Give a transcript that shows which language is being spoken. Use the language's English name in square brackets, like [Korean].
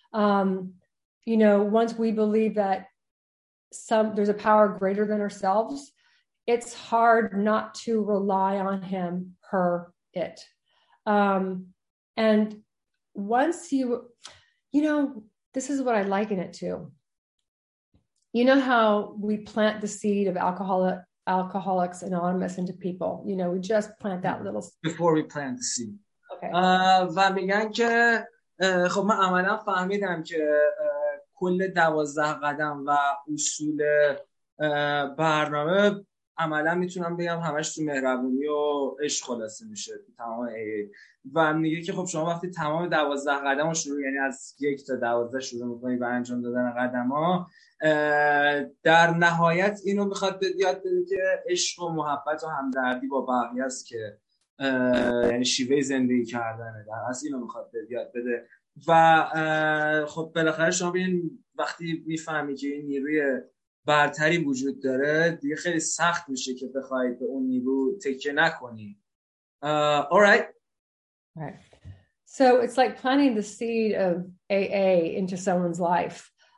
[English] You know, once we believe that there's a power greater than ourselves, it's hard not to rely on him, her, it. And once you know, this is what I liken it to. You know how we plant the seed of Alcoholics Anonymous into people? You know, we just plant that little seed. Before we plant the seed. Okay. [Persian] و میگن که خب من عملا فهمیدم که کل 12 قدم و اصول برنامه عملا میتونم بگم همش تو مهربونی و عشق خلاصه میشه تو تمام ای ای. و میگه که خب شما وقتی تمام 12 قدم شروع، یعنی از 1 تا 12 شروع میکنی به انجام دادن قدم ها، در نهایت اینو میخواد یاد بده که عشق و محبت و همدردی با بقیه است که یعنی شیوه زندگی کردنه. در اصل اینو میخواد یاد بده. و خب بالاخره شما ببین وقتی میفهمی که این نیروی برتری وجود داره، دیگه خیلی سخت میشه که بخوای به اون نیرو تکیه نکنی. [English] All right. So it's like planting the seed of AA into someone's life.